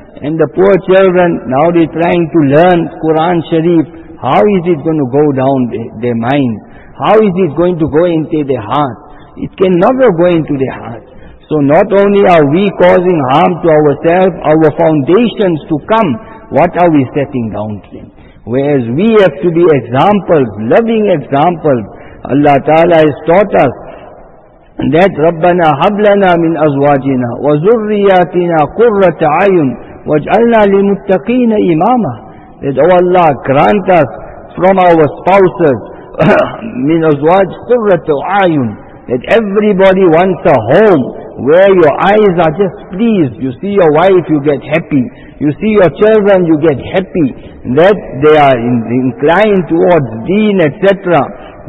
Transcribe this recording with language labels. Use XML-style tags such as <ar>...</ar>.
<en>And the poor children, now they're trying to learn Quran Sharif, how is it going to go down their mind? How is it going to go into their heart? It can never go into their heart. So not only are we causing harm to ourselves, our foundations to come, what are we setting down to them? Whereas we have to be examples, loving examples. Allah Ta'ala has taught us that</en> <ar>رَبَّنَا حَبْلَنَا مِنْ أَزْوَاجِنَا وَزُرِّيَاتِنَا قُرَّةَ عَيُنْ وَاجْعَلْنَا لِمُتَّقِينَ إِمَامًا.</ar> <en>That oh Allah, grant us from our spouses</en> <ar>مِنْ أَزْوَاج قُرَّةَ عَيُنْ,</ar> <en>that everybody wants a home where your eyes are just pleased. You see your wife, you get happy. You see your children, you get happy that they are inclined towards deen, etc.</en>